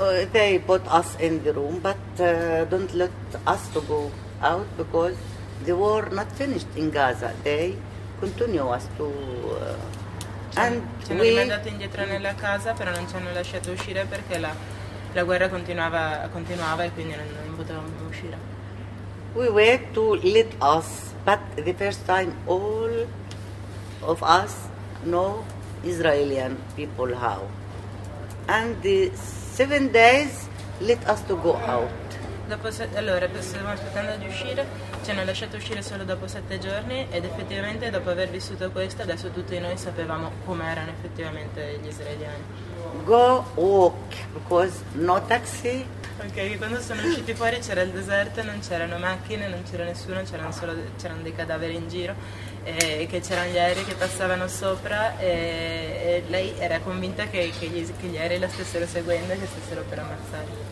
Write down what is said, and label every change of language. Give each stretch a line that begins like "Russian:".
English: They put us in the room, but don't let us to go out because the war not finished in Gaza. They continue us to.
Italian: Ci hanno rimandato indietro nella casa, però non ci hanno lasciato uscire perché la guerra continuava e quindi non potevamo uscire.
English: We wait to let us, but the first time all of us know Israeli people how. And the 7 days let us to go out.
Italian: Dopo allora, stavamo aspettando di uscire, ci hanno lasciato uscire solo dopo 7 giorni ed effettivamente dopo aver vissuto questo adesso tutti noi sapevamo com'erano effettivamente gli israeliani.
English: Go walk, because no taxi.
Italian: Ok, quando sono usciti fuori c'era il deserto, non c'erano macchine, non c'era nessuno, c'erano dei cadaveri in giro e che c'erano gli aerei che passavano sopra e lei era convinta che gli aerei la stessero seguendo e che stessero per ammazzare.